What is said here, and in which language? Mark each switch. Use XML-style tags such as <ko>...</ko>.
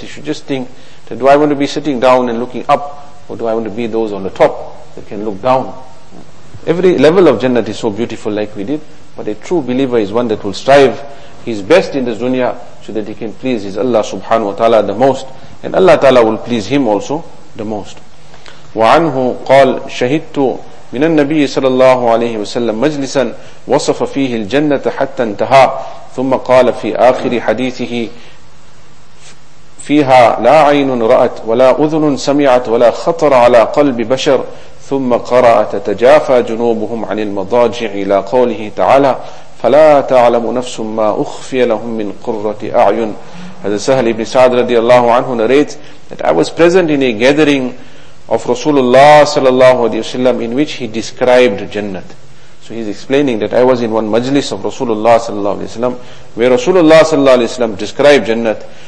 <en>He should just think, that do I want to be sitting down and looking up, or do I want to be those on the top that can look down? Every level of Jannat is so beautiful like we did, but a true believer is one that will strive his best in this dunya so that he can please his Allah subhanahu wa ta'ala the most, and Allah ta'ala will please him also the most.</en> <ar>وَعَنْهُ قَالْ شَهِدْتُ مِنَ النَّبِيِّ صَلَى اللَّهُ عَلَيْهِ وَسَلَّمْ مَجْلِسًا وَصَفَ فِيهِ الْجَنَّةَ حَتَّى انْتَهَى ثُمَّ قَالَ فِي آخِرِ حَدِيثِهِ فِيهَا لَا عَيْنٌ رَأَتْ وَلَا أُذُنٌ سَمِعَتْ وَلَا خَطَرَ عَلَى قَلْبِ بَشَرٍ ثم قرأت تجافى جنوبهم عن المضاجع إلى قوله تعالى فلا تعلم نفس ما أخفي لهم من قرة أعين. هذا سهل بن سعد رضي الله عنه</ar> <en>narrates that I was present in a gathering of Rasulullah sallallahu alaihi wasallam in which he described Jannat. So he's explaining that I was in one majlis of Rasulullah sallallahu alaihi wasallam where Rasulullah sallallahu alaihi wasallam described Jannat.</en>